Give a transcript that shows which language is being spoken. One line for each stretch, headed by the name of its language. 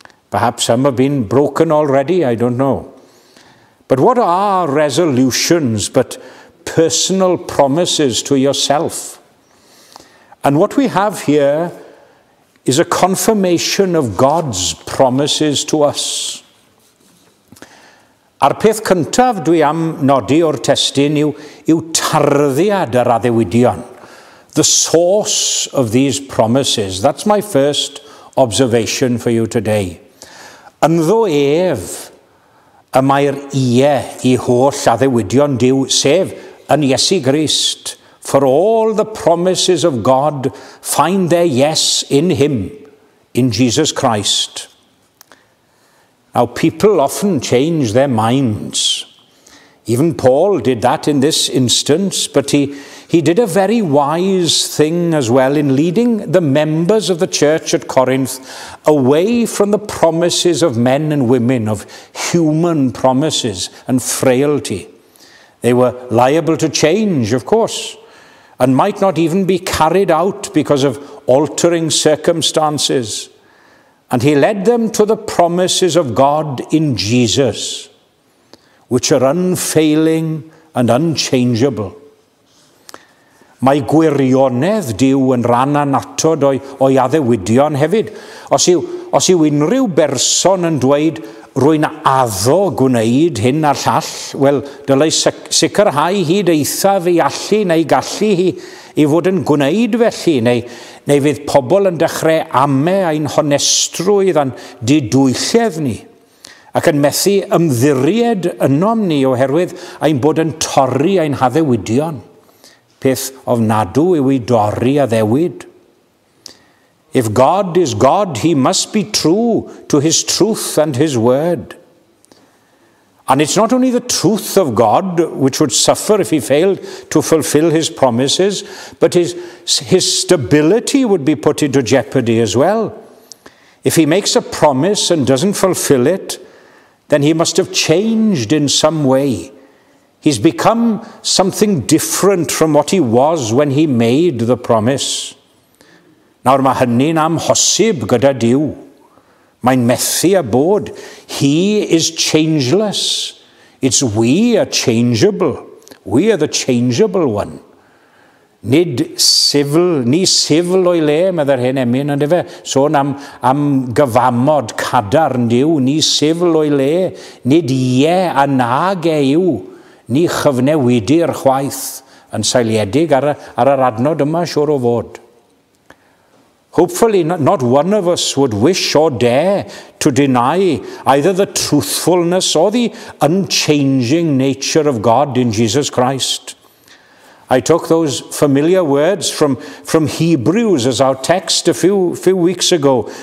English: Perhaps some have been broken already, I don't know. But what are resolutions but personal promises to yourself? And what we have here is a confirmation of God's promises to us.
Welsh: A'r peth cyntaf dwi am nodi o'r testun yw tarddiad yr addewidion.
English: The source of these promises. That's my first observation for you today.
Welsh: Ynddo ef y mae'r ie i holl addewidion diw, sef yn Iesu Grist.
English: For all the promises of God find their yes in him, in Jesus Christ. Now, people often change their minds. Even Paul did that in this instance, but he did a very wise thing as well in leading the members of the church at Corinth away from the promises of men and women, of human promises and frailty. They were liable to change, of course, and might not even be carried out because of altering circumstances. And he led them to the promises of God in Jesus, which are unfailing and unchangeable.
Welsh: Mae gwirionedd Dyw yn rhan anatod o'i addewidion hefyd. Os yw unrhyw berson yn dweud rwy'n addo gwneud hyn a'r llall, wel, dylai sicrhau hyd eithaf i allu neu gallu hi i fod yn gwneud felly, neu fydd pobl yn dechrau ame a'n honestrwydd a'n didwylledd ni, ac yn methu ymddiried ynom ni oherwydd a'n bod yn torri a'n haddewidion, peth ofnadw yw i dorri a ddewyd.
English: If God is God, he must be true to his truth and his word. And it's not only the truth of God which would suffer if he failed to fulfill his promises, but his stability would be put into jeopardy as well. If he makes a promise and doesn't fulfill it, then he must have changed in some way. He's become something different from what he was when he made the promise.
Welsh: Nawr mae hynny'n amhosib gyda Dyw. Mae'n methu a bod.
English: He is changeless. It's we are changeable. We are the changeable one.
Welsh: Nid sifl, ni sifl o'i le, meddai'r hen emyn, ond efe, sôn am gyfamod cadarn Dyw, ni sifl o'i le, nid ie a nag e yw, ni chyfnewidu'r chwaith yn seiliedig ar yr adnod yma siŵr o fod.
English: Hopefully, not one of us would wish or dare to deny either the truthfulness or the unchanging nature of God in Jesus Christ. I took those familiar words from Hebrews as our text a few weeks ago.